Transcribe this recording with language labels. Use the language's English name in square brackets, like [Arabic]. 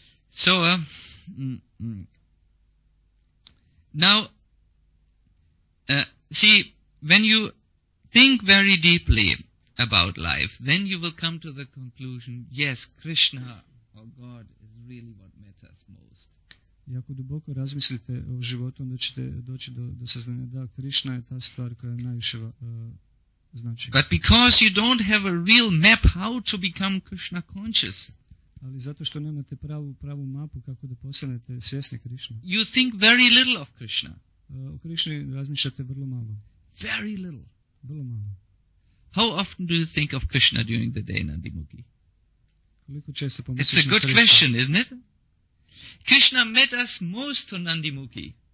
[English] So now see, when you think very deeply about life, then you will come to the conclusion, yes, Krishna or God is really what matters most. [Croatian] I ako duboko razmislite o životu, onda ćete doći do saznanja da Krišna je ta stvar koja najviše znači. [English] But because you don't have a real map how to become Krishna conscious. [Croatian] Ali zato što nemate pravu mapu kako da postanete svjesni Krišne. [English] You think very little of Krishna. [Croatian] O Krišni razmišljate vrlo malo. [English] Very little. [Croatian] Vrlo malo. [English] How often do you think of Krishna during the day, Nandimukhi? [Croatian] Koliko često pomisliš na Krishna? [English] It's a good question, isn't it? Krishna met us most to Nandimukhi.